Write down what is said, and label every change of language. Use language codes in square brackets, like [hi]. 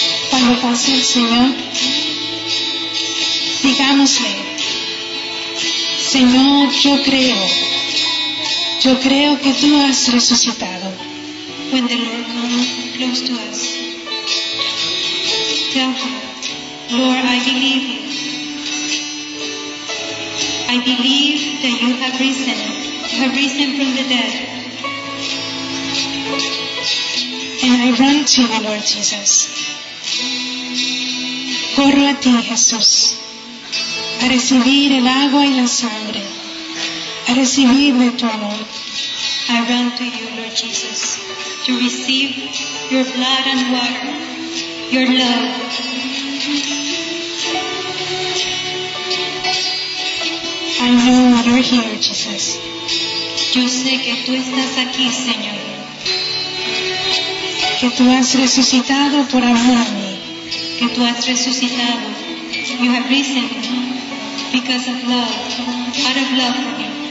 [es] Cuando pase el Señor, digámosle, Señor, yo creo que tú has resucitado. [en] When the Lord comes close to us, tell him, Lord, I believe you. I believe that you have risen. You have risen from the dead. And I run to you, Lord Jesus. [es] Corro a ti, Jesús, a recibir el agua y la sangre, a recibir de tu amor. [en] I run to you, Lord Jesus, to receive your blood and water, your love. I know you're here, Jesus. [es] Yo sé que tú estás aquí, Señor. Que tú has resucitado por amor a mí. Que tú has resucitado. [en] You have risen because of love, out of love for me.